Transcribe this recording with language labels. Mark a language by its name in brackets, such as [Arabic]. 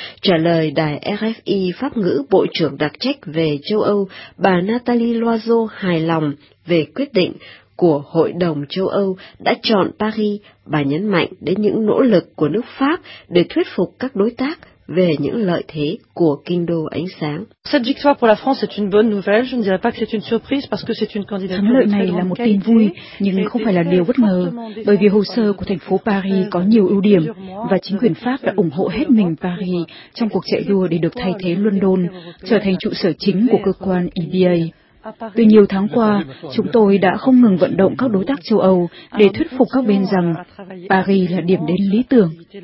[Vietnamese] Trả lời đài RFI Pháp ngữ Bộ trưởng đặc trách về châu Âu, bà Nathalie Loiseau hài lòng về quyết định của Hội đồng châu Âu đã chọn Paris. Bà nhấn mạnh đến những nỗ lực của nước Pháp để thuyết phục các đối tác về những lợi thế của kinh đô ánh sáng. [French] Cette victoire pour la France est une bonne nouvelle. Je ne dirais pas que c'est une surprise parce que c'est une candidature. [Vietnamese] Thắng lợi này là một tin vui nhưng không phải là điều bất ngờ, bởi vì hồ sơ của thành phố Paris có nhiều ưu điểm và chính quyền Pháp đã ủng hộ hết mình Paris trong cuộc chạy đua để được thay thế London trở thành trụ sở chính của cơ quan EBA. Từ nhiều tháng qua, chúng tôi đã không ngừng vận động các đối tác châu Âu để thuyết phục các bên rằng Paris là điểm đến lý tưởng.